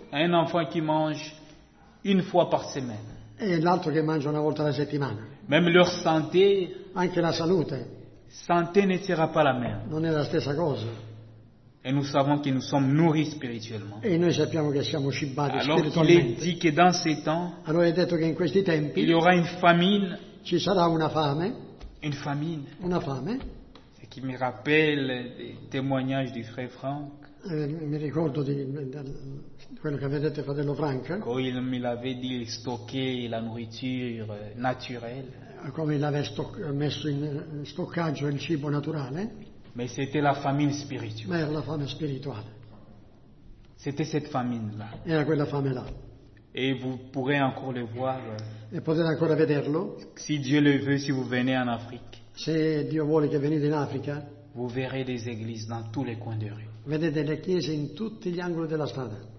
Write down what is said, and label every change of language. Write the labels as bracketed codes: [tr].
[fr] un enfant qui mange une fois par semaine, [it] e l'altro che mangia una volta alla settimana. [fr] Même leur santé, [it] anche la salute, [fr] santé ne sera pas la même, [it] non è la stessa cosa. [fr] Et nous savons que nous sommes nourris spirituellement. [it] E noi sappiamo che siamo cibati spiritualmente. [fr] Alors il est dit que dans ces temps, [it] allora è detto che in questi tempi, [fr] il y aura une famine, [it] ci sarà una fame, [fr] une famine, [it] una fame. [fr] Ce qui me rappelle des témoignages du frère Franck. [it] Mi ricordo di quello che aveva detto il fratello Franco. [fr] Quand il me l'avait dit, stocker la nourriture naturelle. [it] Come [fr] il avait [it] messo in stoccaggio il cibo naturale. [fr] Mais c'était la famine spirituelle. [it] Ma era la fame spirituale. [fr] C'était cette famine-là. [it] Era quella fame-là. [fr] Et vous pourrez encore le voir. [it] E potete ancora vederlo. [fr] Si Dieu le veut, si vous venez en Afrique. [it] Se Dio vuole che venite in Africa. [fr] Vous verrez des églises dans tous les coins de rue. [it] Vedete le chiese in tutti gli angoli della strada.